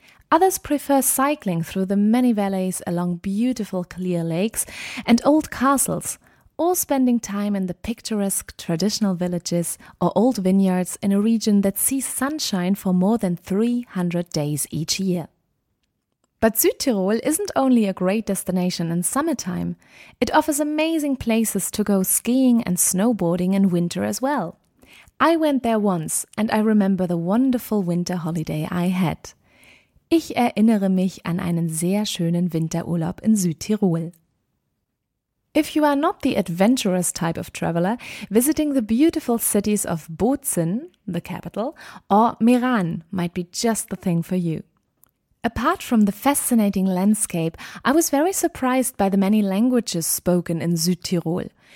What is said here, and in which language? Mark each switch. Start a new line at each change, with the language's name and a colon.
English: Others prefer cycling through the many valleys along beautiful clear lakes and old castles, or spending time in the picturesque traditional villages or old vineyards in a region that sees sunshine for more than 300 days each year. But Südtirol isn't only a great destination in summertime. It offers amazing places to go skiing and snowboarding in winter as well. I went there once and I remember the wonderful winter holiday I had.
German: Ich erinnere mich an einen sehr schönen Winterurlaub in Südtirol.
English: If you are not the adventurous type of traveler, visiting the beautiful cities of Bozen, the capital, or Meran might be just the thing for you. Apart from the fascinating landscape, I was very surprised by the many languages spoken in Südtirol.